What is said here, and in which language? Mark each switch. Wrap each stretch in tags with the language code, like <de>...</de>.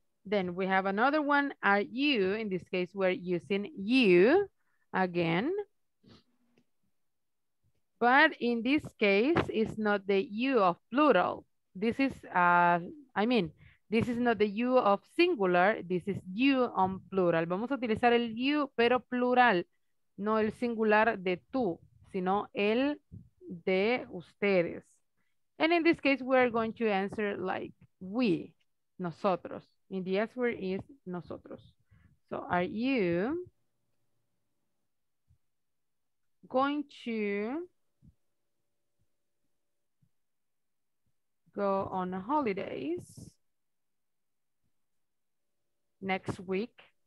<en>Then we have another one, are you? In this case, we're using you again. But in this case, it's not the you of plural. This is, this is not the you of singular. This is you on plural.</en> <es>Vamos a utilizar el you, pero plural. No el singular de tú, sino el de ustedes.</es> <en>And in this case, we're going to answer like we, nosotros. In the answer is nosotros. So are you going to go on holidays next week?</en>